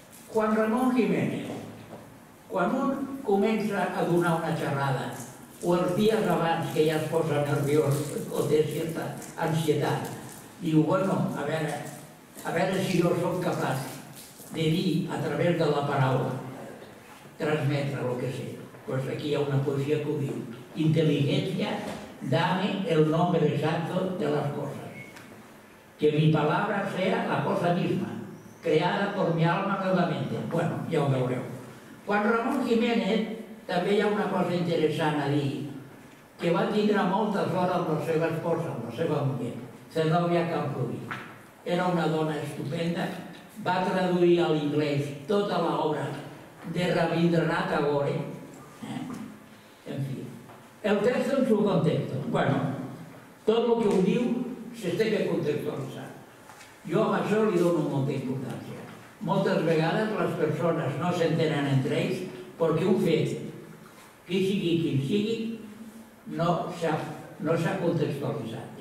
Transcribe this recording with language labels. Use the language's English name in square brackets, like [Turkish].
[Catalan] Juan Ramón Jiménez, quan un comença a donar una xerrada o els dies abans que ja es posa nerviós o té certa ansietat, diu, bueno, a veure si jo sóc capaç de dir a través de la paraula, transmetre el que sé. Doncs aquí hi ha una poesia que ho diu. [Spanish] Intel·ligència, dame el nombre exacto de las cosas. Que mi palabra sea la cosa misma, creada por mi alma nuevamente. [Catalan] Bueno, ja ho veureu. Juan Ramón Jiménez, també hi ha una cosa interessant a dir, que va tindre molta sort amb la seva esposa, amb la seva muller, Zenòbia Camprubí. Era una dona estupenda, va traduir a l'inglès tota l'obra de Rabindranath Tagore. En fi, el text [Spanish] en su contexto. [Catalan] Bueno, tot el que ho diu s'ha de contextualitzar. Jo amb això li dono molta importància. Moltes vegades les persones no s'entenen entre ells perquè un fet, qui sigui quin sigui, no s'ha contextualitzat.